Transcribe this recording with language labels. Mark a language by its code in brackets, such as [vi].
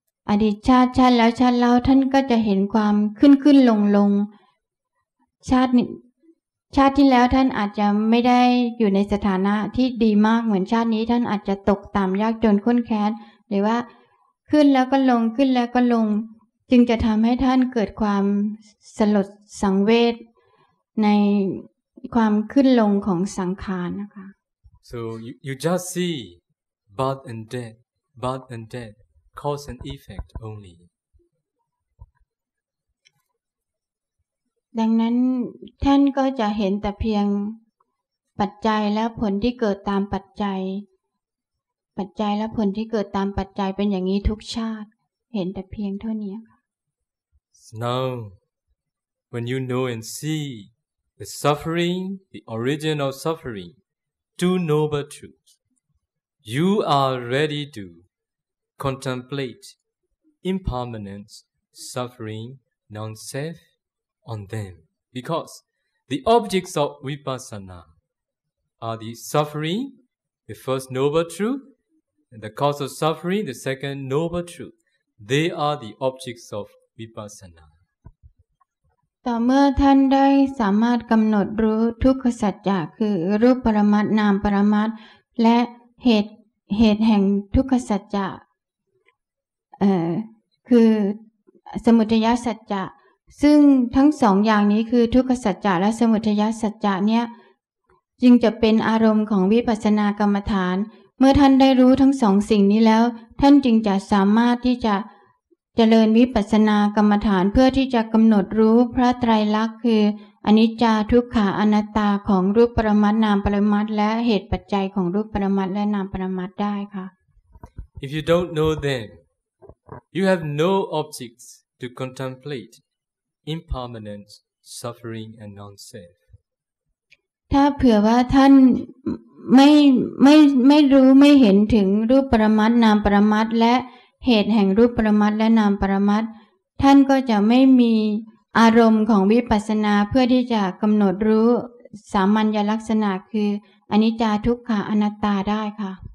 [th] อดีตชาติชาติแล้วชาติเล่าท่านก็จะเห็นความขึ้นลงๆชาติที่แล้วท่านอาจจะไม่ได้อยู่ในสถานะที่ดีมากเหมือนชาตินี้ท่านอาจจะตกต่ำยากจนข้นแค้นหรือว่าขึ้นแล้วก็ลงขึ้นแล้วก็ลงจึงจะทำให้ท่านเกิดความสลดสังเวชในความขึ้นลงของสังขารนะคะ [en] So you just see birth and death birth and death cause and effect only [th] ดังนั้นท่านก็จะเห็นแต่เพียงปัจจัยและผลที่เกิดตามปัจจัยและผลที่เกิดตามปัจจัยเป็นอย่างนี้ทุกชาติเห็นแต่เพียงเท่านี้ค่ะ [en] Now when you know and see the suffering the origin of suffering two noble truths you are ready to contemplate impermanence suffering non-selfon them because the objects of vipassana are the suffering the first noble truth and the cause of suffering the second noble truth they are the objects of vipassana [th] ต่อเมื่อท่านได้สามารถกําหนดรู้ทุกขสัจจะคือรูปปรมัตถ์นามปรมัตถ์และเหตุแห่งทุกขสัจจะคือสมุทัยสัจจะซึ่งทั้งสองอย่างนี้คือทุกขสัจจะและสมุทัยสัจจะเนี่ย จึงจะเป็นอารมณ์ของวิปัสสนากรรมฐานเมื่อท่านได้รู้ทั้งสองสิ่งนี้แล้วท่านจึงจะสามารถที่จะเจริญวิปัสสนากรรมฐานเพื่อที่จะกำหนดรู้พระไตรลักษณ์คืออนิจจาทุกขาอนัตตาของรูปปรมัตถ์นามปรมัตถ์และเหตุปัจจัยของรูปปรมัตถ์และนามปรมัตถ์ได้ค่ะ [en] If you don't know them you have no objects to contemplateimpermanence suffering and non-self [th] ถ้าเผื่อว่าท่านไม่รู้ไม่เห็นถึงรูปปรมัตถ์นามปรมัตถ์และเหตุแห่งรูปปรมัตถ์และนามปรมัตถ์ท่านก็จะไม่มีอารมณ์ของวิปัสสนาเพื่อที่จะกําหนดรู้สามัญลักษณะคืออนิจจาทุกขาอนัตตาได้ค่ะ